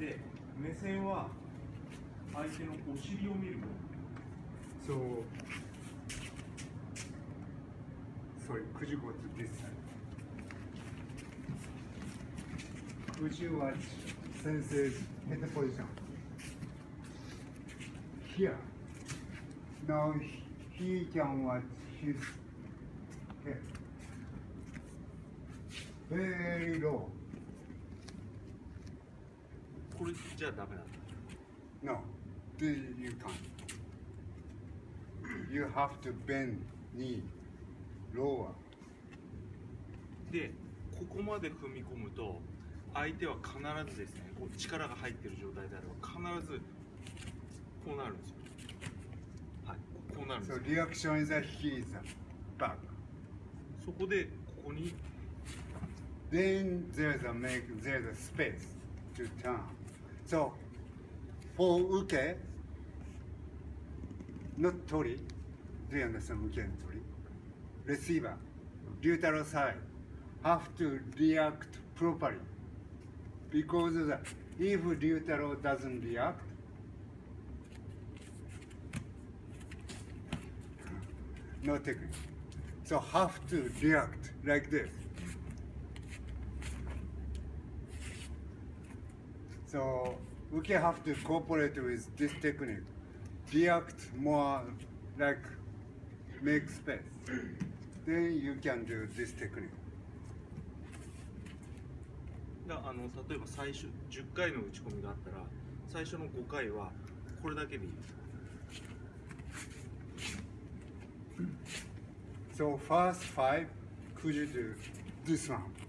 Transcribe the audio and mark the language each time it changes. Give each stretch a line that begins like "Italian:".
Japanese: で、目線は相手のお尻を見るもの。
English: So, sorry, could you go to this side? Could you watch Sensei's head position? Here. Now he can watch his head. Very low.
Japanese: これじゃダメなんだ。
English: No. You can. You have to bend knee lower.
Japanese: で、ここまで踏み込むと、相手は必ずですね、こう力が入っている状態であれば、必ずこうなるんですよ。はい、こうなるんですよ。
English: So reaction is that he is back.
Japanese: そこで、ここに。
English: Then there's a make, there's a space to turn. So, for uke,Not Tori, do you understand? Again, Tori. Receiver, Ryutaro side, have to react properly. Because if Ryutaro doesn't react, no technique. So have to react like this. So Uke have to cooperate with this technique. React more like make space. Then you can do this technique.
Japanese: だ、例えば最初10回の打ち込みがあったら、最初の5回はこれだけでいい。
English: So first five, could you do this one?